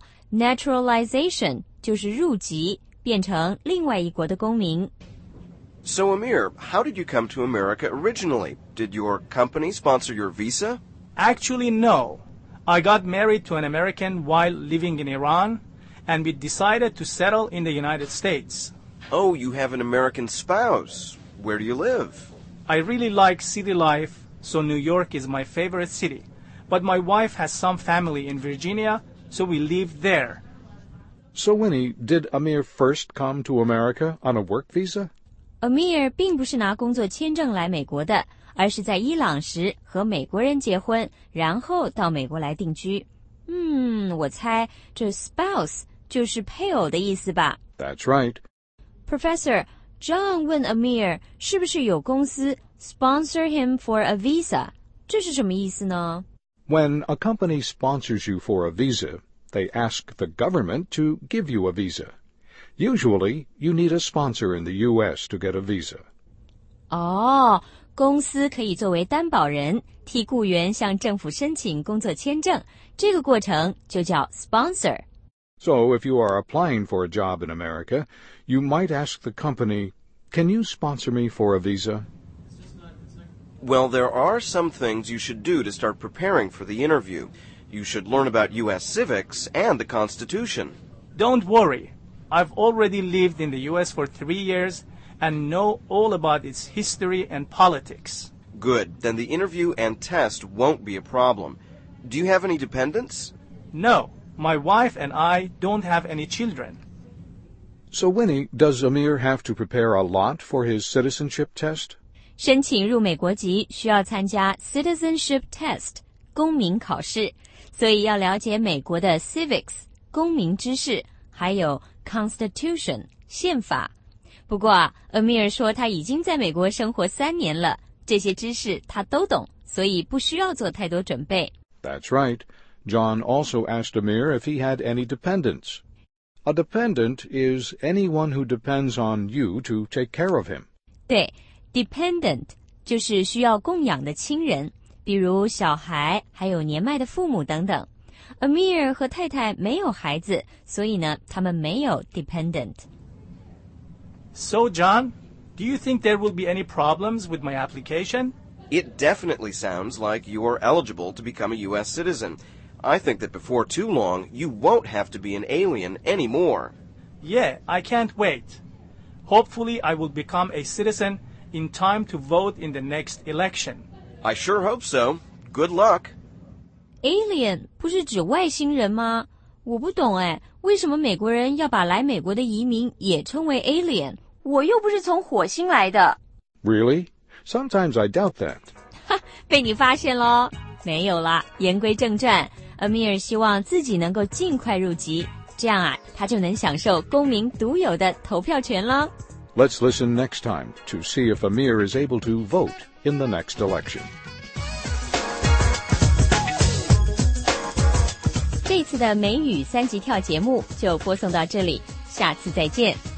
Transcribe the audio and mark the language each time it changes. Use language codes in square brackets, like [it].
[zh] Naturalization 就是入籍，变成另外一国的公民。 [en] So Amir, how did you come to America originally? Did your company sponsor your visa? Actually, no. I got married to an American while living in Iran, and we decided to settle in the United States. Oh, you have an American spouse. Where do you live? I really like city life, so New York is my favorite city. But my wife has some family in Virginia, so we live there. So Winnie, did Amir first come to America on a work visa? [zh] Amir 并不是拿工作签证来美国的，而是在伊朗时和美国人结婚，然后到美国来定居。嗯，我猜这 spouse 就是配偶的意思吧。 [en] That's right. Professor, John [zh] 问 [en] Amir [zh] 是不是有公司 [en] sponsor him for a visa? [zh] 这是什么意思呢？ [en] When a company sponsors you for a visa, they ask the government to give you a visa. Usually, you need a sponsor in the U.S. to get a visa. [zh] 哦，公司可以作为担保人，替雇员向政府申请工作签证，这个过程就叫 sponsor. [en] So, if you are applying for a job in America, you might ask the company, can you sponsor me for a visa? Well, there are some things you should do to start preparing for the interview. You should learn about U.S. civics and the Constitution. Don't worry. I've already lived in the U.S. for 3 years and know all about its history and politics. Good. Then the interview and test won't be a problem. Do you have any dependents? No. My wife and I don't have any children. So, Winnie, does Amir have to prepare a lot for his citizenship test? [zh] 申请入美国籍需要参加 citizenship test, 公民考试。所以要了解美国的 civics, 公民知识。还有 Constitution, 宪法。不过啊 ,Amir 说他已经在美国生活3年了，这些知识他都懂，所以不需要做太多准备。 [en] That's right. John also asked Amir if he had any dependents. A dependent is anyone who depends on you to take care of him. [zh] 对 ,dependent 就是需要供养的亲人，比如小孩，还有年迈的父母等等。 Amir 和太太没有孩子，所以呢，他们没有 dependent. [en] So, John, do you think there will be any problems with my application? It definitely sounds like you are eligible to become a U.S. citizen. I think that before too long, you won't have to be an alien anymore. Yeah, I can't wait. Hopefully, I will become a citizen in time to vote in the next election. I sure hope so. Good luck. [zh] Alien 不是指外星人吗？我不懂哎，为什么美国人要把来美国的移民也称为 alien？我又不是从火星来的。 [en] Really? Sometimes I doubt that. [zh] 哈，被你发现咯。没有啦，言归正传， Amir 希望自己能够尽快入籍，这样啊，他就能享受公民独有的投票权了。 [en] Let's listen next time to see if Amir is able to vote in the next election. [zh] 这次的美语三级跳节目就播送到这里，下次再见。